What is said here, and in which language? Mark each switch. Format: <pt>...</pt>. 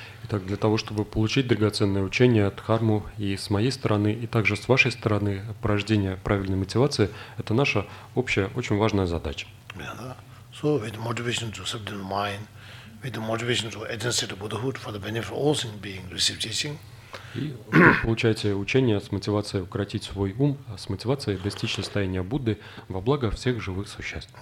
<ru>Итак, для того, чтобы получить драгоценное учение от Дхарму и с моей стороны, и также с вашей стороны, порождение правильной мотивации, это наша общая, очень важная задача.</ru> <en>So with motivation to subdue mind, with the motivation to attain state of Buddhahood for the benefit of all sentient beings, receive teaching.</en> <ru>И получаете учение с мотивацией укротить свой ум, с мотивацией достичь состояния Будды во благо всех живых существ.</ru>